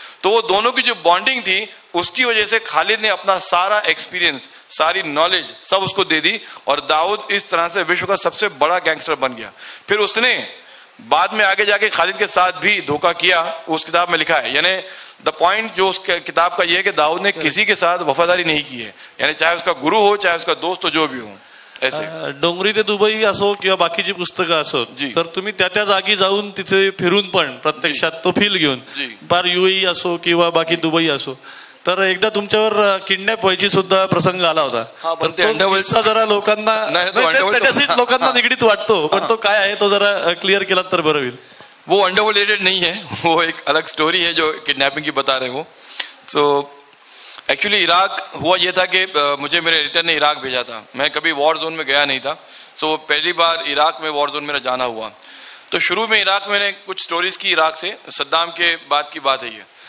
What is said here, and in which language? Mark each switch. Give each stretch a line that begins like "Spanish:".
Hindi: तो वो दोनों की जो बॉन्डिंग थी उसकी वजह से खालिद ने अपना सारा एक्सपीरियंस सारी नॉलेज सब उसको दे दी और दाऊद इस तरह से विश्व का सबसे बड़ा गैंगस्टर बन गया। फिर उसने बाद में आगे जाके खालिद के साथ भी धोखा किया, उस किताब में लिखा है। यानी द पॉइंट जो उस किताब का ये है कि दाऊद ने किसी के साथ वफादारी नहीं की है, यानी चाहे उसका गुरु हो चाहे उसका दोस्त हो जो भी हो। ऐसे
Marathi: डोंगरी ते दुबई असो किंवा बाकीची पुस्तक असो, तर तुम्ही त्या त्या जागी जाऊन तिथे फिरून पण प्रत्यक्षात तो फील घेऊन, बार यूएई असो किंवा बाकी दुबई असो, तर एकदा तुमच्यावर किडनॅप व्हायची सुद्धा प्रसंग आला होता। जरा लोकांना निगडीत वाटतो, पण तो काय आहे तो जरा क्लिअर केला तर बरं होईल।
Hindi: वो अंडरवर्ल्ड रिलेटेड नहीं है, वो एक अलग स्टोरी है जो किडनैपिंग की बता रहे हो। सो एक्चुअली इराक हुआ ये था कि मुझे मेरे एडिटर ने इराक भेजा था, मैं कभी वॉर जोन में गया नहीं था। सो पहली बार इराक में वॉर जोन मेरा जाना हुआ। तो शुरू में इराक मैंने कुछ स्टोरीज की इराक से, सद्दाम के बाद की बात है ये।